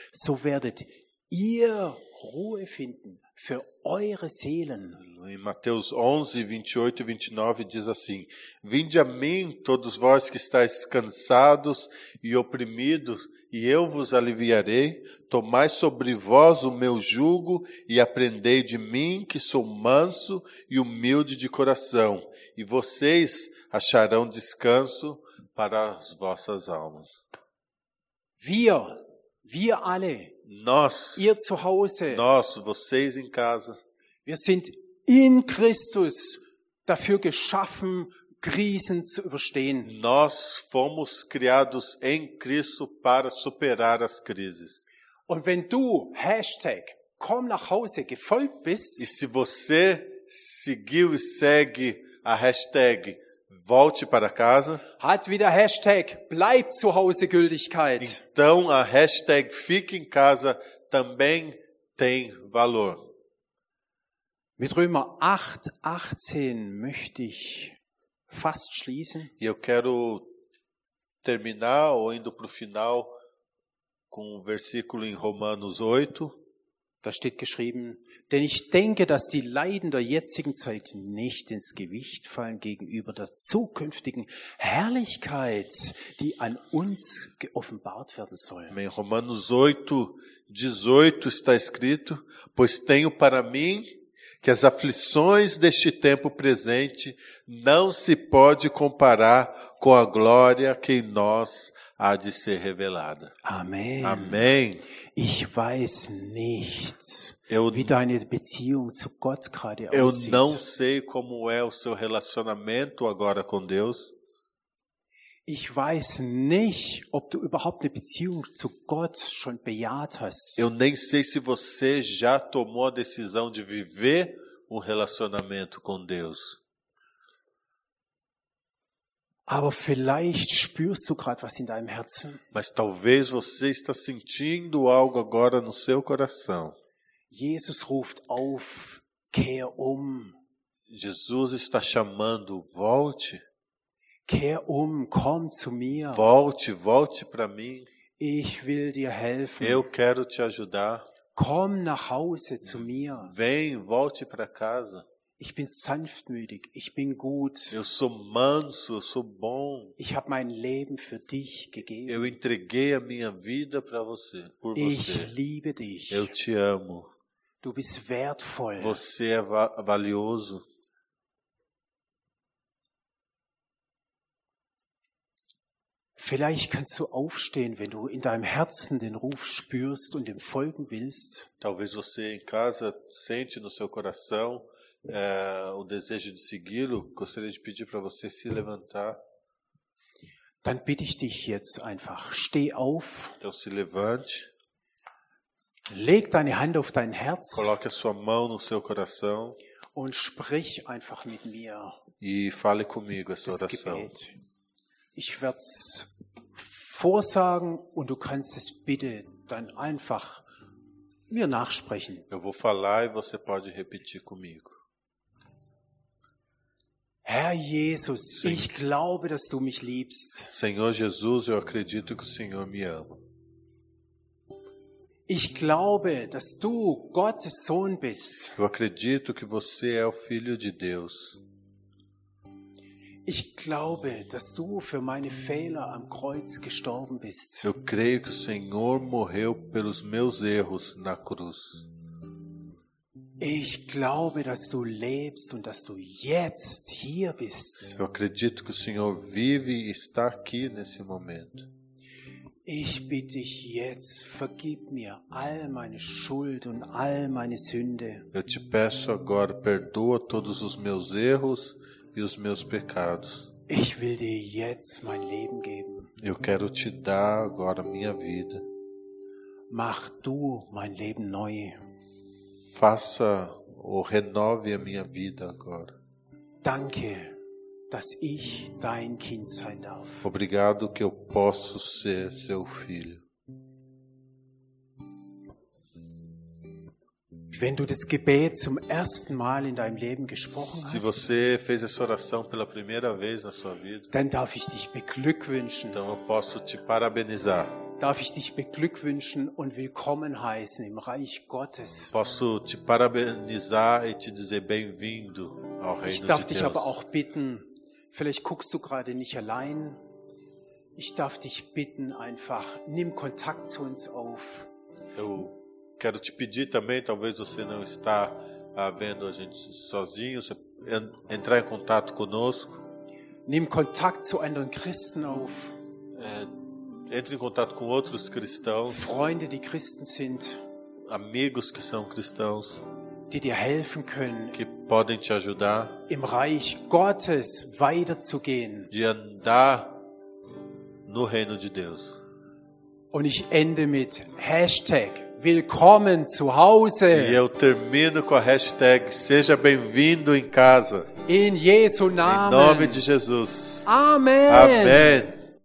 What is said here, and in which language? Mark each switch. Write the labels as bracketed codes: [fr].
[de] So werdet ihr Ruhe finden für eure Seelen. [pt] Em Mateus 11, 28 e 29 diz assim: Vinde a mim, todos vós que estáis cansados e oprimidos, e eu vos aliviarei. Tomai sobre vós o meu jugo e aprendei de mim, que sou manso e humilde de coração, e vocês acharão descanso para as vossas almas. [de] Wir alle, [pt] nós, [de] ihr zu Hause, [pt] nós, vocês em casa, [de] wir sind in Christus dafür geschaffen, Krisen zu überstehen. [pt] Nós fomos criados em Cristo para superar as crises. [de] Und wenn du Hashtag komm nach Hause gefolgt bist, [pt] e se você seguiu e segue a Hashtag Volte para casa, [de] hat wieder Hashtag bleib zu Hause Gültigkeit. [pt] Então a Hashtag fique em casa também tem valor. [de] Mit Römer 8, 18 möchte ich fast schließen. [pt] Eu quero terminar ou indo para o final com o versículo em Romanos 8. [de] Da steht geschrieben: Denn ich denke, dass die Leiden der jetzigen Zeit nicht ins Gewicht fallen gegenüber der zukünftigen Herrlichkeit, die an uns geoffenbart werden soll. [pt] Em Romanos 8, 18 está escrito: Pois tenho para mim que as aflições deste tempo presente não se pode comparar com a glória que em nós há de ser revelada. Amém. Amém. [de] Ich weiß nicht, wie deine Beziehung zu Gott gerade aussieht. [pt] Eu não sei como é o seu relacionamento agora com Deus. [de] Ich weiß nicht, ob du überhaupt eine Beziehung zu Gott schon bejaht hast. [pt] Eu nem sei se você já tomou a decisão de viver um relacionamento com Deus. [de] Aber vielleicht spürst du gerade was in deinem Herzen. [pt] Mas talvez você está sentindo algo agora no seu coração. [de] Jesus ruft auf, kehr um. [pt] Jesus está chamando, volte. [de] Kehr um, komm zu mir. [pt] Volte, volte para mim. [de] Ich will dir helfen. [pt] Eu quero te ajudar. [de] Komm nach Hause zu mir. [pt] Vem, volte para casa. [de] Ich bin sanftmütig, ich bin gut. [pt] Eu sou manso, eu sou bom. [de] Ich habe mein Leben für dich gegeben. [pt] Eu entreguei a minha vida para você, por você. [de] Ich liebe dich. [pt] Eu te amo. [de] Du bist wertvoll. [pt] Você é valioso. [de] Vielleicht kannst du aufstehen, wenn du in deinem Herzen den Ruf spürst und ihm folgen willst. [pt] Talvez você em casa sente no seu coração o desejo de segui-lo. Gostaria de pedir para você se levantar. [de] Dann bitte ich dich jetzt einfach, steh auf. [pt] Então se levante. [de] Leg deine Hand auf dein Herz. [pt] Coloque a sua mão no seu coração. [de] Und sprich einfach mit mir. [pt] E fale comigo essa oração. [de] Gebet. Ich werde es vorsagen und du kannst es bitte dann einfach mir nachsprechen. [pt] Eu vou falar e você pode repetir comigo. [de] Herr Jesus, [pt] Senhor, [de] ich glaube, dass du mich liebst. [pt] Senhor Jesus, eu acredito que o Senhor me ama. [de] Ich glaube, dass du Gottes Sohn bist. [pt] Eu acredito que você é o Filho de Deus. [de] Ich glaube, dass du für meine Fehler am Kreuz gestorben bist. [pt] Eu creio que o Senhor morreu pelos meus erros na cruz. [de] Ich glaube, dass du lebst und dass du jetzt hier bist. [pt] Eu acredito que o Senhor vive e está aqui nesse momento. [de] Ich bitte dich jetzt, vergib mir all meine Schuld und all meine Sünde. [pt] Eu te peço agora, perdoa todos os meus erros e os meus pecados. [de] Ich will dir jetzt mein Leben geben. [pt] Eu quero te dar agora minha vida. [de] Mach du mein Leben neu. [pt] Faça ou renove a minha vida agora. [de] Danke, dass ich dein Kind sein darf. [pt] Obrigado que eu posso ser seu filho. [de] Wenn du das Gebet zum ersten Mal in deinem Leben gesprochen hast, [pt] se você fez essa oração pela primeira vez na sua vida, [de] dann darf ich dich beglückwünschen. [pt] Então eu posso te parabenizar. [de] Darf ich dich beglückwünschen und willkommen heißen im Reich Gottes. [pt] Posso te parabenizar e te dizer bem-vindo ao Reino de Deus. [de] Ich darf dich aber auch bitten, vielleicht guckst du gerade nicht allein, ich darf dich bitten einfach, nimm Kontakt zu uns auf. [pt] Eu quero te pedir também, talvez você não está vendo a gente sozinho, entrar em contato conosco. [de] Nimm Kontakt zu anderen Christen auf. [pt] Entre em contato com outros cristãos. [de] Freunde, die Christen sind. [pt] Amigos que são cristãos. [de] Die dir helfen können. [pt] Que podem te ajudar. [de] Im Reich Gottes weiterzugehen. [pt] De andar no reino de Deus. [de] Und ich ende mit Hashtag Willkommen zu Hause. [pt] E eu termino com a hashtag Seja bem-vindo em casa. [de] In Jesu Namen. [pt] Em nome de Jesus. [de] Amen. [pt] Amen.